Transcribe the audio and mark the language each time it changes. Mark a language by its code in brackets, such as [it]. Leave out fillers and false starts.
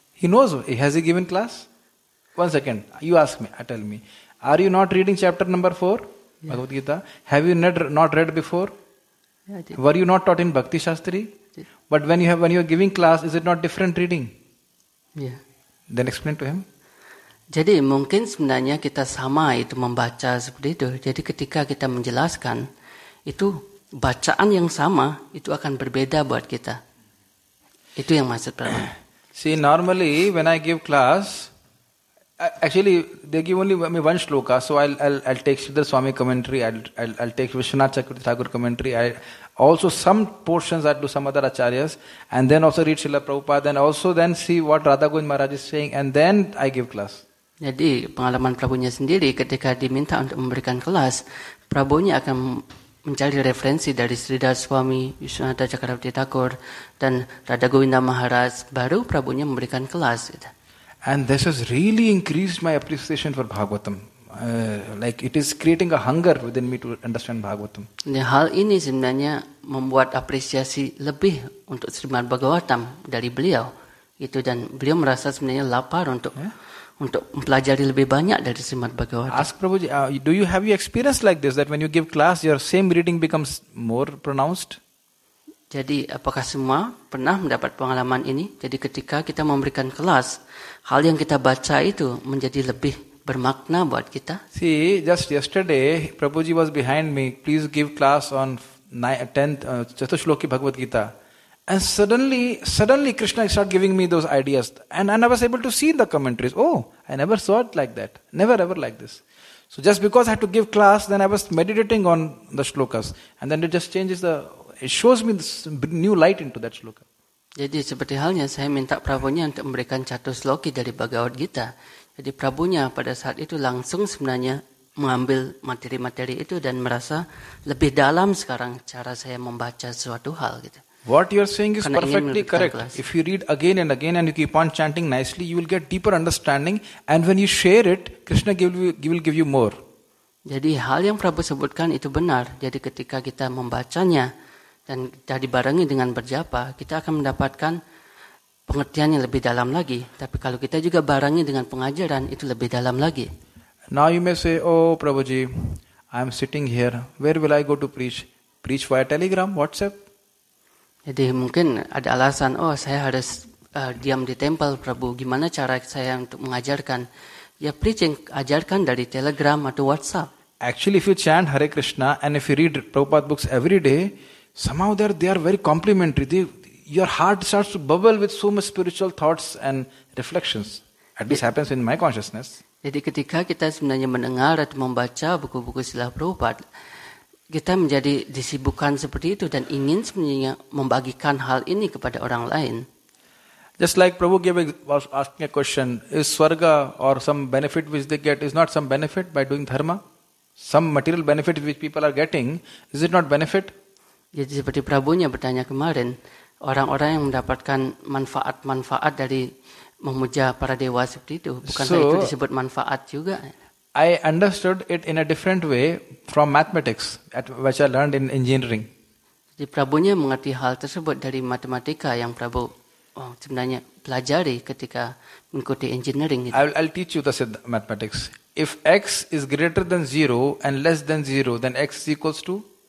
[en] He knows. Has he given class? One second. You ask me. Tell me. Are you not reading chapter number 4? Yeah. Bhagavad Gita. Have you not read before? Yeah, I did. Were you not taught in Bhakti Shastri? But when you are giving class, is it not different reading? Yeah. Then explain to him. [id] Jadi mungkin sebenarnya kita sama itu membaca seperti itu. Jadi ketika kita menjelaskan, itu bacaan yang sama itu akan berbeda buat kita. Itu yang maksud Prabhu. [en] See, normally when I give class, actually they give only me one shloka. So I'll take Sridhar Swami commentary, I'll take Vishwanath Chakravarti Thakur commentary, I also some portions I do some other acharyas, and then also read Srila Prabhupada, and also then see what Radha Govind Maharaj is saying, and then I give class. [id] Jadi pengalaman Prabhunya sendiri ketika diminta untuk memberikan kelas, Prabhunya akan mencari referensi dari Sridhar Swami, Vishwanatha Chakravarti Thakur, dan Radha Govinda Maharaj, baru Prabhunya memberikan kelas. [en] And this has really increased my appreciation for Bhagavatam. Like it is creating a hunger within me to understand Bhagavatam. [id] Hal ini sebenarnya membuat apresiasi lebih untuk Srimad Bhagavatam dari beliau. Itu dan beliau merasa sebenarnya lapar untuk untuk mempelajari lebih banyak dari Srimad Bhagavatam. [en] Ask Prabhuji, do you have you experience like this that when you give class, your same reading becomes more pronounced? [id] Jadi apakah semua pernah mendapat pengalaman ini? Jadi ketika kita memberikan kelas, hal yang kita baca itu menjadi lebih bermakna buat kita. [en] See, just yesterday, Prabhuji was behind me. Please give class on 10th Chatushloki Bhagavad Gita. And suddenly Krishna started giving me those ideas. And I was able to see the commentaries. Oh, I never saw it like that. Never ever like this. So just because I had to give class, then I was meditating on the shlokas. And then it just changes the... It shows me this new light into that shloka. [id] Jadi seperti halnya saya minta Prabhunya untuk memberikan Chatushloki dari Bhagavad Gita. Jadi Prabhunya pada saat itu langsung sebenarnya mengambil materi-materi itu dan merasa lebih dalam sekarang cara saya membaca suatu hal gitu. [en] What you're saying is perfectly correct. If you read again and you keep on chanting nicely, you will get deeper understanding, and when you share it, Krishna will give you more. [id] Jadi hal yang Prabhu sebutkan itu benar. Jadi ketika kita membacanya dan kita dibarengi dengan berjapa, kita akan mendapatkan pengertian yang lebih dalam lagi. Tapi kalau kita juga barengi dengan pengajaran, itu lebih dalam lagi. [en] Now you may say, oh Prabhuji, I'm sitting here. Where will I go to preach? Preach via telegram, WhatsApp? [id] Jadi mungkin ada alasan, oh saya harus diam di temple, Prabhu. Gimana cara saya untuk mengajarkan? Ya, preaching, ajarkan dari telegram atau WhatsApp. [en] Actually, if you chant Hare Krishna and if you read Prabhupada books every day, somehow they are very complimentary. Your heart starts to bubble with so much spiritual thoughts and reflections. At least happens in my consciousness. [id] Jadi ketika kita sebenarnya mendengar atau membaca buku-buku Srila Prabhupada, kita menjadi disibukkan seperti itu dan ingin sebenarnya membagikan hal ini kepada orang lain. [en] Just like Prabhupada was asking a question, is swarga or some benefit which they get, is not some benefit by doing dharma? Some material benefit which people are getting, is it not benefit? [id] Jadi seperti Prabhunya bertanya kemarin, orang-orang yang mendapatkan manfaat-manfaat dari memuja para dewa seperti itu, bukankah itu disebut manfaat juga? [en] I understood it in a different way from mathematics, which I learned in engineering. [id] Jadi Prabhunya mengerti hal tersebut dari matematika yang Prabhu sebenarnya pelajari ketika mengikuti engineering. Gitu. [en] I'll teach you the mathematics. If x is greater than 0 and less than 0, then x is equals to?